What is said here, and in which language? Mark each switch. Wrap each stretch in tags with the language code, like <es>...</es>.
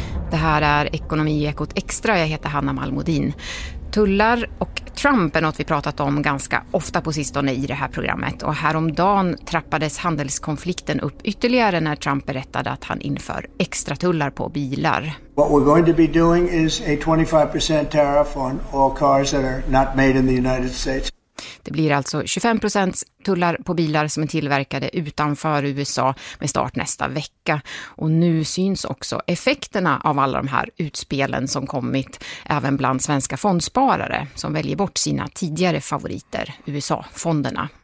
<sv>Det här är Ekonomiekot Extra, jag heter Hanna Malmodin. Tullar och Trump är något vi pratat om ganska ofta på sistone i det här programmet. Och häromdagen trappades handelskonflikten upp ytterligare när Trump berättade att han inför extra tullar på bilar.</sv> <en>What we're going to be doing is a 25% tariff on all cars that are not made in the United States.</en> <sv>Det blir alltså 25% tullar på bilar som är tillverkade utanför USA med start nästa vecka. Och nu syns också effekterna av alla de här utspelen som kommit även bland svenska fondsparare som väljer bort sina tidigare favoriter, USA-fonderna.</sv>